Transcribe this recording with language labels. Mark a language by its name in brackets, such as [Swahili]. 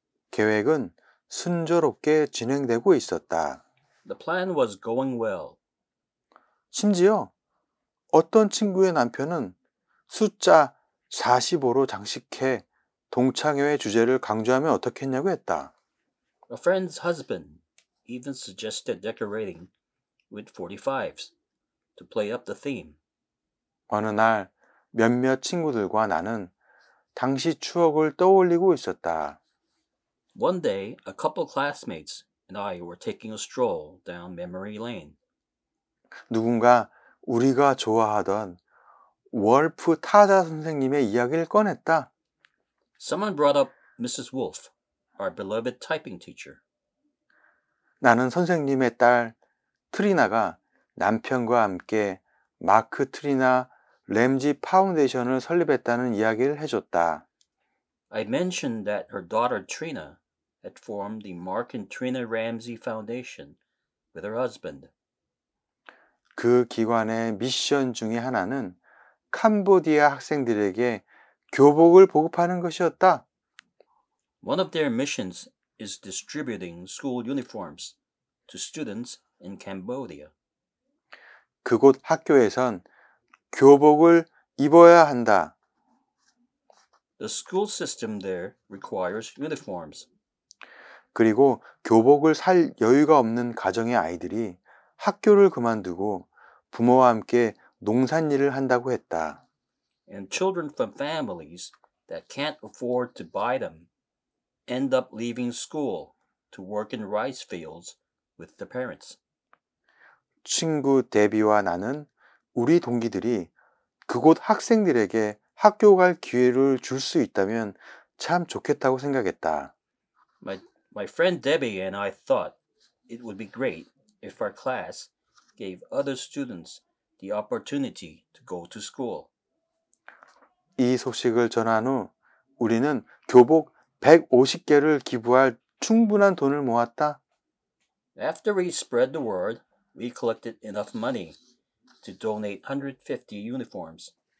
[Korean] 계획은 순조롭게 진행되고 있었다. [English] The plan was going well. [Korean] 심지어 어떤 친구의 남편은 숫자 45로 장식해 동창회의 주제를 강조하면 어떻겠냐고 했다. [English] A friend's husband even suggested decorating with 45s to play up the theme. [Korean] 어느 날 몇몇 친구들과 나는 당시 추억을 떠올리고 있었다. [English] One day, a couple classmates and I were taking a stroll down memory lane. [Korean] 누군가 우리가 좋아하던 월프 타자 선생님의 이야기를 꺼냈다. [English] Someone brought up Mrs. Wolf, our beloved typing teacher. [Korean] 나는 선생님의 딸 트리나가 남편과 함께 마크 트리나 램지 파운데이션을 설립했다는 이야기를 해줬다. [English] I mentioned that her daughter Trina had formed the Mark and Trina Ramsey Foundation with her husband. [Korean] 그 기관의 미션 중에 하나는 캄보디아 학생들에게 교복을 보급하는 것이었다. [English] One of their missions is distributing school uniforms to students in Cambodia. [Korean] 그곳 학교에선 교복을 입어야 한다. [English] The school system there requires uniforms. [Korean] 그리고 교복을 살 여유가 없는 가정의 아이들이 학교를 그만두고 부모와 함께 농산일을 한다고 했다. [English] And children from families that can't afford to buy them end up leaving school to work in rice fields with the parents. [Korean] 친구 데비와 나는 우리 동기들이 그곳 학생들에게 학교 갈 기회를 줄 수 있다면 참 좋겠다고 생각했다. [English] My friend Debbie and I thought it would be great if our class gave other students the opportunity to go to school. [Korean] 이 소식을 전한 후 우리는 교복 150개를 기부할 충분한 돈을 모았다. [English] After we spread the word, we collected enough money to donate 150 uniforms.